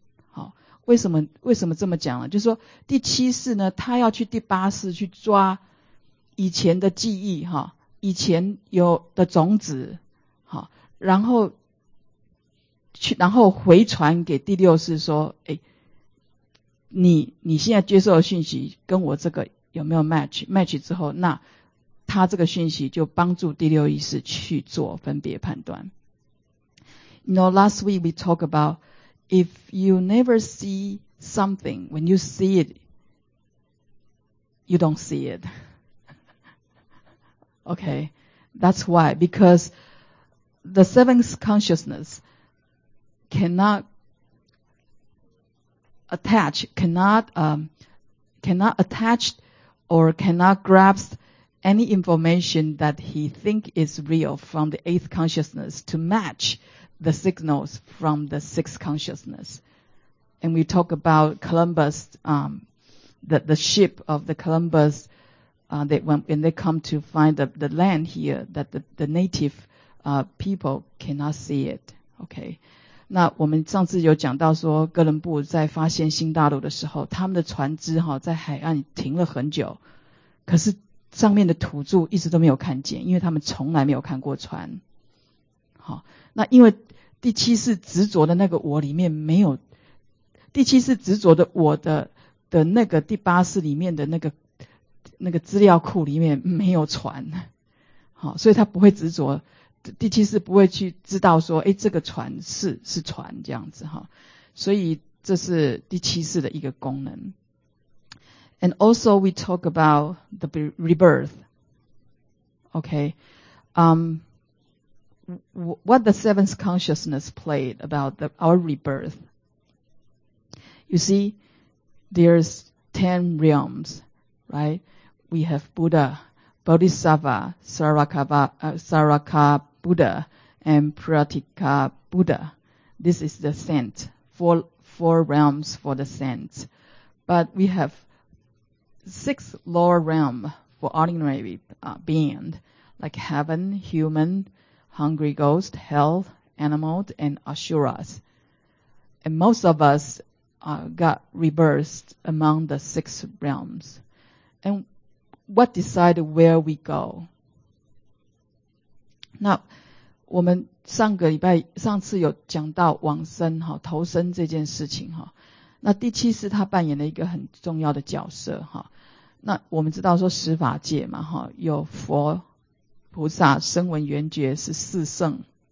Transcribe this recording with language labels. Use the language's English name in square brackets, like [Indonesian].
[Chinese] 好，为什么这么讲呢？就是说第七识呢，他要去第八识去抓以前的记忆，哈，以前有的种子，好，然后回传给第六识说，哎。你现在接受的讯息跟我这个有没有 match 之后，那他这个讯息就帮助第六意识去做分别判断。 [English] You know, last week we talk about if you never see something, when you see it, you don't see it. Okay, that's why, because the seventh consciousness cannot grasp any information that he think is real from the eighth consciousness to match the signals from the sixth consciousness. And we talk about Columbus, the ship of the Columbus, when they come to find the land here, that the native, people cannot see it. Okay. [Chinese] 那我们上次有讲到说，哥伦布在发现新大陆的时候，他们的船只哈在海岸停了很久，可是上面的土著一直都没有看见，因为他们从来没有看过船。好，那因为第七识执着的那个我里面没有，第七识执着的我的那个第八识里面的那个资料库里面没有船，好，所以他不会执着。第七识不会去知道说，诶，这个船是船这样子，所以这是第七识的一个功能。 [English] And also we talk about the rebirth. Okay, what the seventh consciousness played about our rebirth. You see, there's 10 realms, right? We have Buddha, Bodhisattva, Sarvaka Buddha and Pratika Buddha. This is the saint. Four realms for the saints. But we have six lower realms for ordinary beings, like heaven, human, hungry ghost, hell, animals, and asuras. and most of us got rebirthed among the six realms. And what decided where we go? [Chinese] 那我们上个礼拜上次有讲到往生齁投生这件事情齁。那第七世他扮演了一个很重要的角色齁。那我们知道说十法界嘛齁有佛菩萨声闻缘觉是四圣。